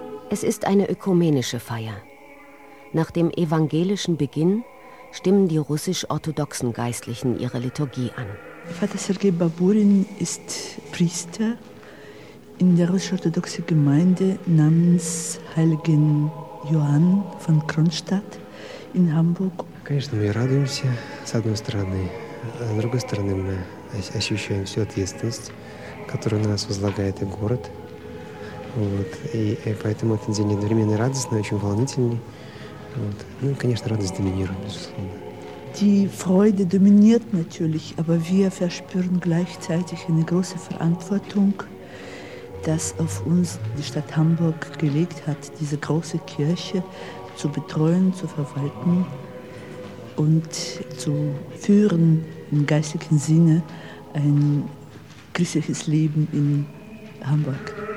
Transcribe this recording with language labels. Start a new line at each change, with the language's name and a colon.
German: Es ist eine ökumenische Feier. Nach dem evangelischen Beginn stimmen die russisch-orthodoxen Geistlichen ihre Liturgie an. Vater Sergei Baburin ist Priester in der russisch-orthodoxen Gemeinde namens Heiligen Johann von Kronstadt in Hamburg.
Russian: Конечно, мы радуемся с одной стороны, а с другой стороны мы ощущаем всю ответственность, которую нас возлагает и город. Вот. И поэтому этот день одновременно радостный, очень волнительный. Вот. Ну, конечно, радость доминирует, безусловно.
German: Die Freude dominiert natürlich, aber wir verspüren gleichzeitig eine große Verantwortung, das auf uns die Stadt Hamburg gelegt hat, diese große Kirche zu betreuen, zu verwalten und zu führen im geistlichen Sinne ein christliches Leben in Hamburg.